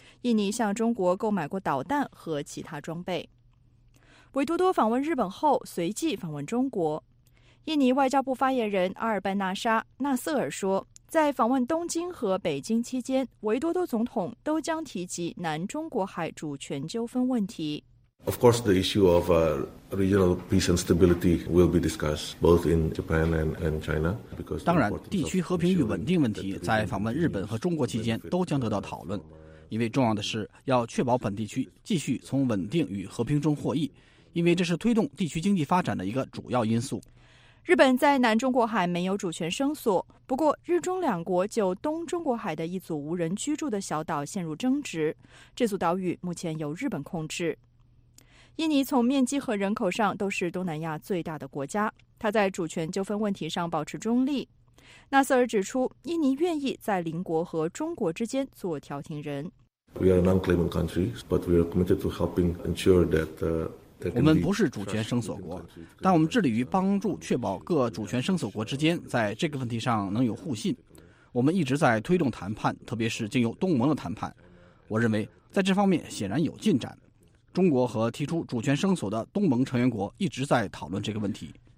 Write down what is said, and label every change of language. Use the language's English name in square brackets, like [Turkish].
[Chinese] 印尼向中国购买过导弹和其他装备。维多多访问日本后随即访问中国。印尼外交部发言人阿尔班纳沙·纳瑟尔说，在访问东京和北京期间，维多多总统都将提及南中国海主权纠纷问题。 [English] Of course, the issue of regional peace and stability will be discussed both in Japan and China. Because [Chinese] 当然，地区和平与稳定问题在访问日本和中国期间都将得到讨论，因为重要的是要确保本地区继续从稳定与和平中获益，因为这是推动地区经济发展的一个主要因素。日本在南中国海没有主权声索，不过日中两国就东中国海的一组无人居住的小岛陷入争执，这组岛屿目前由日本控制。印尼从面积和人口上都是东南亚最大的国家，它在主权纠纷问题上保持中立。纳瑟尔指出，印尼愿意在邻国和中国之间做调停人。 [English] We are a non-claimant country, but we are committed to helping ensure that. [Chinese] 我们不是主权声索国，但我们致力于帮助确保各主权声索国之间在这个问题上能有互信。我们一直在推动谈判，特别是经由东盟的谈判。我认为在这方面显然有进展。中国和提出主权声索的东盟成员国一直在讨论这个问题。